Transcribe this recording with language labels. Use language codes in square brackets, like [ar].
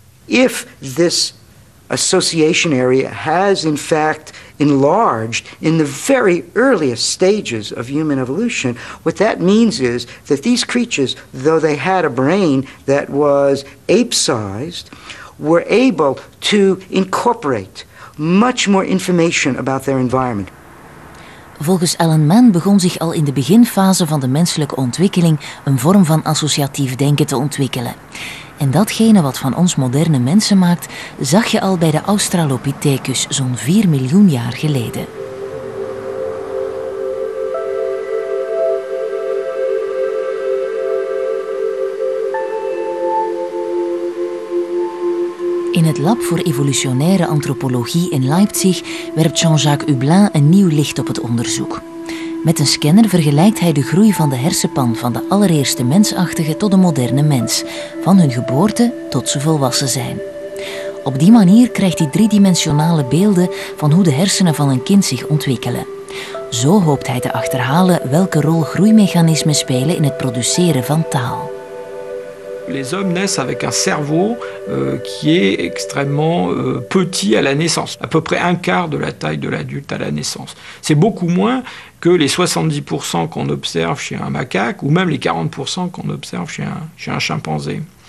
[en] If this association area has in fact enlarged in the very earliest stages of human evolution, what that means is that these creatures, though they had a brain that was ape-sized, were able to incorporate much more information about their environment. [nl] Volgens Alan Mann begon zich al in de beginfase van de menselijke ontwikkeling een vorm van associatief denken te ontwikkelen. En datgene wat van ons moderne mensen maakt, zag je al bij de Australopithecus zo'n 4 miljoen jaar geleden. In het Lab voor Evolutionaire Antropologie in Leipzig werpt Jean-Jacques Hublin een nieuw licht op het onderzoek. Met een scanner vergelijkt hij de groei van de hersenpan van de allereerste mensachtige tot de moderne mens, van hun geboorte tot ze volwassen zijn. Op die manier krijgt hij driedimensionale beelden van hoe de hersenen van een kind zich ontwikkelen. Zo hoopt hij te achterhalen welke rol groeimechanismen spelen in het produceren van taal. [fr] Les hommes naissent avec un cerveau qui est extrêmement petit à la naissance, à peu près un quart de la taille de l'adulte à la naissance. C'est beaucoup moins que les 70% qu'on observe chez un macaque ou même les 40% qu'on observe chez un chimpanzé.